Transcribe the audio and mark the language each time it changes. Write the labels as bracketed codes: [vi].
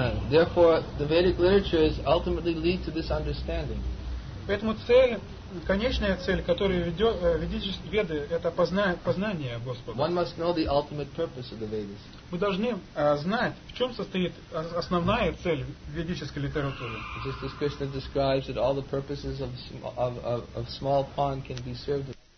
[en] Therefore, the Vedic literature is ultimately lead to this understanding. [ru] Поэтому цель конечная цель, которую ведут Веды, это познание Господа. [en] One must know the ultimate purpose of the Vedas. [ru] Мы должны знать, в чем состоит основная цель ведической литературы. [en] Just as Krishna describes that all the purposes of small pond can be served.